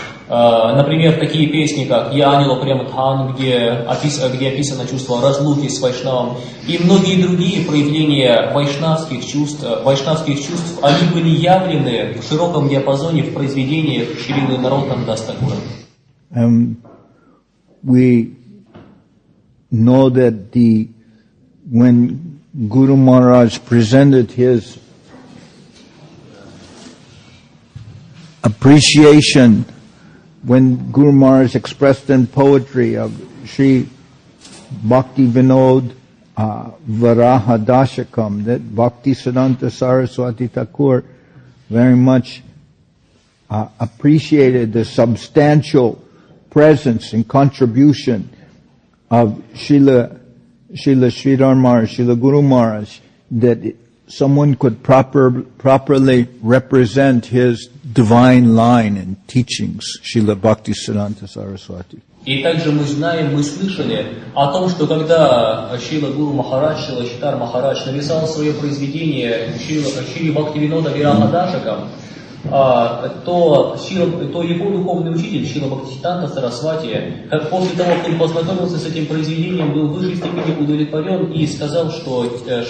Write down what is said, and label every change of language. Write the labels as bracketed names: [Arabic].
[Russian] Например, такие песни, как «Яни Ло Према Тхан», где описано чувство разлуки с вайшнавом, и многие другие проявления вайшнавских чувств, они были явлены в широком диапазоне в произведениях Шрилы Народом Дас Такура. [English] We know that when Guru Maharaj presented his appreciation, when Guru Maharaj expressed in poetry of Sri Bhakti Vinod Varaha Dashakam, that Bhakti Siddhanta Saraswati Thakur very much appreciated the substantial presence and contribution of Srila Sridhar Maharaj, Srila Guru Maharaj, that someone could properly represent his divine line and teachings, Srila Bhakti Siddhanta Saraswati. [Russian] И также мы знаем, мы слышали о том, что когда Шрила Гуру Махарадж, Шрила Читар Махарадж написал свое произведение Шрила Бхакти Винода Вираха Дашакам, то его духовный учитель Шрила Бхакти Сиддханта Сарасвати, как после того, как он познакомился с этим произведением, был в высшей степени удовлетворен и сказал, что